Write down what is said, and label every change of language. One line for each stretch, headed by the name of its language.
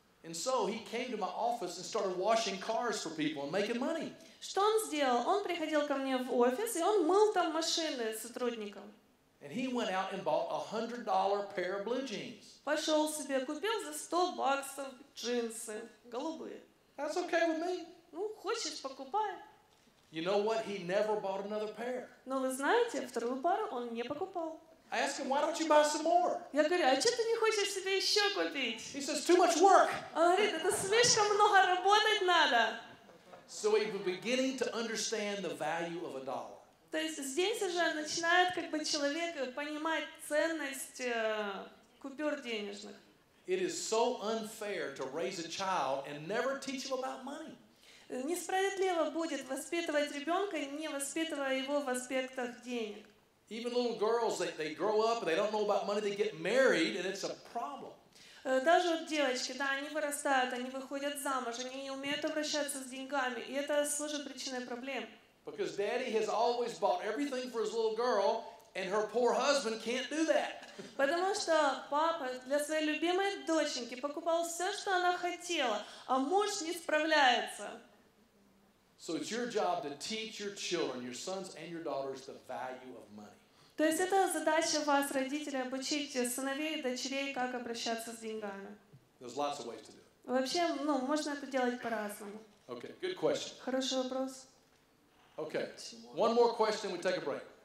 English: And so he came to my office and started washing cars for people and making money.
Russian: Что он сделал? Он приходил ко мне в офис, и он мыл там машины сотрудникам.
English: And he went out and bought $100 pair of blue jeans.
Russian: Пошел себе, купил за $100 джинсы голубые.
English: That's okay with me.
Russian: Ну, хочешь, покупай.
English: You know what? He never bought another pair.
Russian: Но вы знаете, вторую пару он не покупал.
English: I asked him, why don't you buy some more?
Russian: Я говорю, а что ты не хочешь себе еще купить?
English: He says, too much work.
Russian: Он говорит, это слишком много работать надо.
English: So he was beginning to understand the value of a dollar.
Russian: То есть здесь уже начинает как бы человек понимать ценность купюр денежных.
English: It is so unfair to raise a child and never teach him about money.
Russian: Несправедливо будет воспитывать ребенка, не воспитывая его в аспектах денег.
English: Even little girls, they grow up and they don't know about money. They get married and it's a problem.
Russian: Даже вот девочки, да, они вырастают, они выходят замуж, они не умеют обращаться с деньгами, и это служит причиной проблем.
English: Because daddy has always bought everything for his little girl, and her poor husband can't do that.
Russian: Потому что папа для своей любимой доченьки покупал все, что она хотела, а муж не справляется.
English: So it's your job to teach your children, your sons and your daughters, the value of money.
Russian: То есть это задача вас, родителей, обучить сыновей и дочерей, как обращаться с деньгами.
English: There's lots of ways to do it.
Russian: Вообще, ну, можно это делать по-разному.
English: Okay, good question.
Russian: Хороший вопрос.
English: Okay, one more question, we take a break.